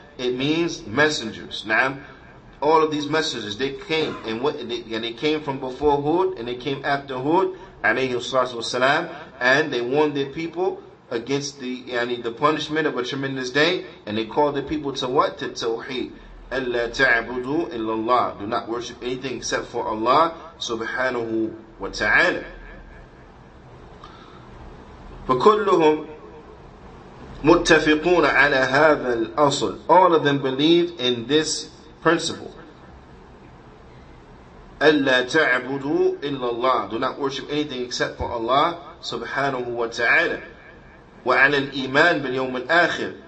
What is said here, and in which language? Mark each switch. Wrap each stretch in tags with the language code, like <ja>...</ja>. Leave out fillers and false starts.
<en>It means messengers. Now, all of these messengers, they came, and they came from before Hud, and they came after Hud, alayhi salatu wasalam, and they warned their people against the punishment of a tremendous day, and they called the people to what? To tawheed.</en> <ar>Alla ta'budu illallah.</ar> <en>Do not worship anything except for Allah subhanahu wa ta'ala.</en> <ar>فكلهم متفقون على هذا الأصل.</ar> <en>All of them believe in this principle.</en> <ar>Alla ta'budu illallah.</ar> <en>Do not worship anything except for Allah subhanahu wa ta'ala.</en> <ar>وعلى الإيمان باليوم الآخر.</ar>